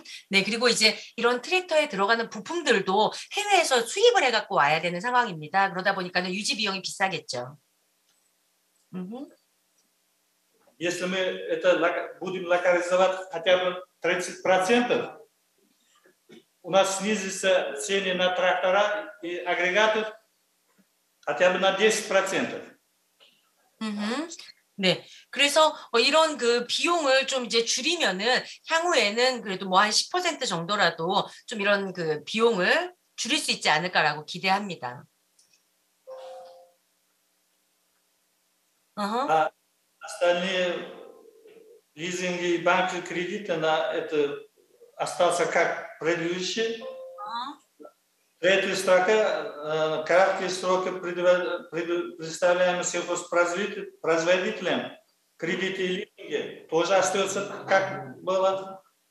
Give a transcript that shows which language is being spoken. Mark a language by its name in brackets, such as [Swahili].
[Korean] 네, 그리고 이제 이런 트랙터에 들어가는 부품들도 해외에서 수입을 해갖고 와야 되는 상황입니다. 그러다 보니까 유지 비용이 비싸겠죠. 음흠. [Russian] Если мы это будем локализовать хотя бы 30%, у нас снизится цены на трактора и агрегаты хотя бы на 10%. [Korean] 네, 그래서 이런 그 비용을 좀 이제 줄이면은 향후에는 그래도 뭐 한 10% 정도라도 좀 이런 그 비용을 줄일 수 있지 않을까라고 기대합니다. [Russian] остальные лизинги, банки, кредиты на это остался как предыдущие. Третья строка, краткие сроки предоставляем сельхозпроизводителям, кредиты и лизинги тоже остается как было.